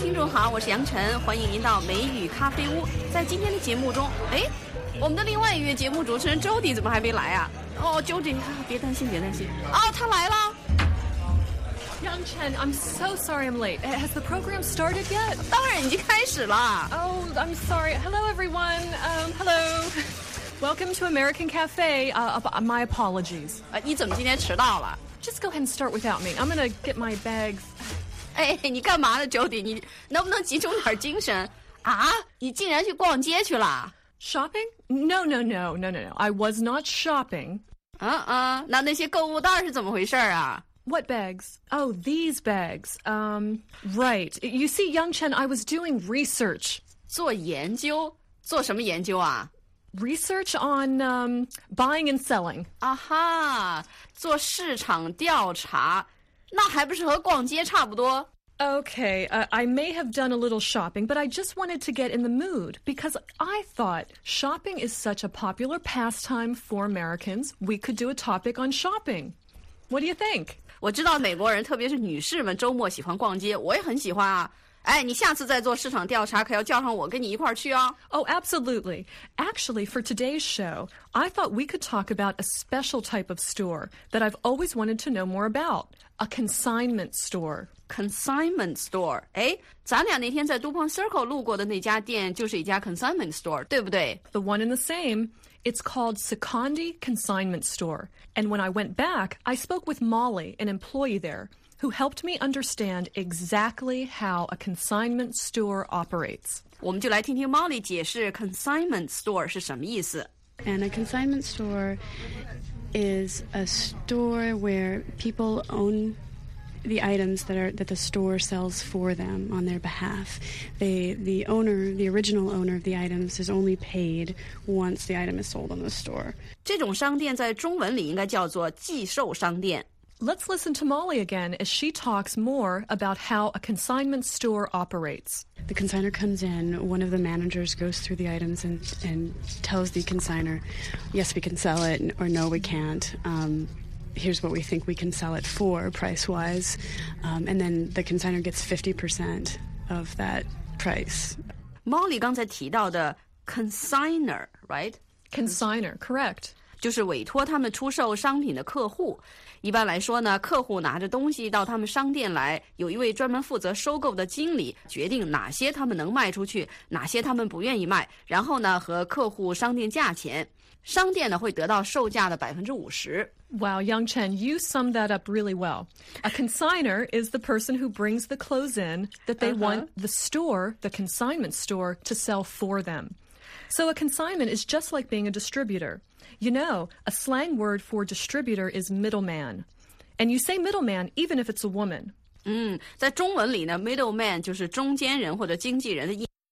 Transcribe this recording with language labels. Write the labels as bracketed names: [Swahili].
[Chinese] 好，我是杨晨，欢迎您到美语咖啡屋。在今天的节目中，哎，我们的另外一位节目主持人周迪怎么还没来啊？哦，周迪，别担心，别担心。哦，他来了。 [English] 杨晨 ，I'm so sorry I'm late. Has the program started yet? [Chinese] 当然已经开始了。 [English] Oh, I'm sorry. Hello, everyone. Hello. Welcome to American Cafe. My apologies. [Chinese] 你怎么今天迟到了？ [English] Just go ahead and start without me. I'm gonna get my bags. [Chinese] 哎，你干嘛呢 ，Jody？你能不能集中点精神啊？你竟然去逛街去了 [English] ？Shopping? No. I was not shopping. [Chinese] 那那些购物袋是怎么回事啊 [English] ？What bags? Oh, these bags. Right. You see, Yangchen, I was doing research. [Chinese] 做研究？做什么研究啊？ [English] Research on buying and selling. [Chinese] Aha, 做市场调查，那还不是和逛街差不多 [English] ？Okay, I may have done a little shopping, but I just wanted to get in the mood because I thought shopping is such a popular pastime for Americans. We could do a topic on shopping. What do you think? [Chinese] 我知道美国人，特别是女士们，周末喜欢逛街，我也很喜欢啊。哎，你下次再做市场调查，可要叫上我跟你一块儿去啊 [English] ！Oh, absolutely. Actually, for today's show, I thought we could talk about a special type of store that I've always wanted to know more about—a consignment store. Consignment store. [Chinese] 哎，咱俩那天在 DuPont Circle 路过的那家店就是一家 consignment store， 对不对 [English] ？The one and the same. It's called Secondi Consignment Store. And when I went back, I spoke with Molly, an employee there. Who helped me understand exactly how a consignment store operates? [Chinese] 我们就来听听 Molly 解释 consignment store 是什么意思。 [English] And a consignment store is a store where people own the items that the store sells for them on their behalf. The original owner of the items is only paid once the item is sold on the store. [Chinese] 这种商店在中文里应该叫做寄售商店。 [English] Let's listen to Molly again as she talks more about how a consignment store operates. The consignor comes in. One of the managers goes through the items and tells the consignor, yes, we can sell it, or no, we can't. Here's what we think we can sell it for, price-wise. And then the consignor gets 50% of that price. [Chinese] Molly 刚才提到的 consignor, right? [English] Consignor, correct. [Chinese] 就是委托他们出售商品的客户。一般来说呢，客户拿着东西到他们商店来，有一位专门负责收购的经理，决定哪些他们能卖出去，哪些他们不愿意卖，然后呢和客户商定价钱。商店呢会得到售价的50%。 [English] Wow, Yangchen, you summed that up really well. A consignor is the person who brings the clothes in that they want the store, the consignment store, to sell for them. So a consignment is just like being a distributor. You know, a slang word for distributor is middleman. And you say middleman even if it's a woman. [Chinese] 在中文里呢 middleman 就是中间人或者经纪人的意思。